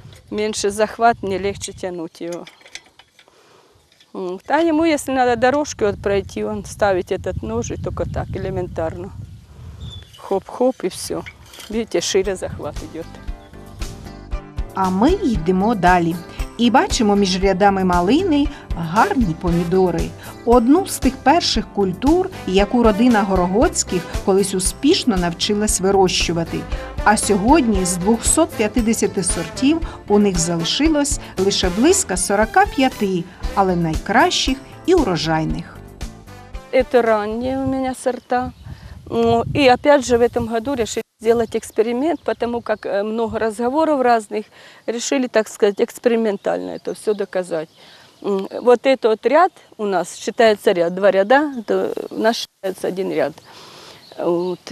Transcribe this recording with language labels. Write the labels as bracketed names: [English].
[Russian] Меньше захват, мне легче тянуть его. А ему, если надо дорожки вот пройти, он ставит этот нож и только так, элементарно. Хоп-хоп и все. Видите, шире захват идет. [Ukrainian] А мы йдемо далі. І бачимо між рядами малини гарні помідори. Одну з тих перших культур, яку родина Горогоцьких колись успішно навчилась вирощувати. А сьогодні з 250 сортів у них залишилось лише близько 45, але найкращих і урожайних. Це ранні у мене сорта. [Russian] І, опять же, в цьому году рішили сделать эксперимент, потому как много разговоров разных, решили, так сказать, экспериментально это все доказать. Вот этот ряд у нас считается ряд, два ряда, то у нас считается один ряд. Вот.